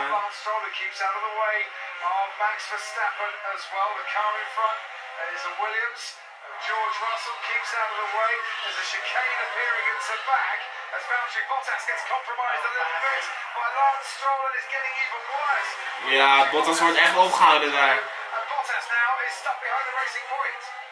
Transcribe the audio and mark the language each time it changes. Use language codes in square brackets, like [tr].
[en] Lance Stroll keeps out of the way of Max Verstappen as well. The car in front is a Williams. George Russell keeps out of the way. There's a chicane appearing at the back as Valtteri Bottas gets compromised a little bit by Lance Stroll, and it's getting even worse. [nl] Ja, Bottas wordt echt opgehouden daar. [en] And Bottas now is stuck behind the racing point.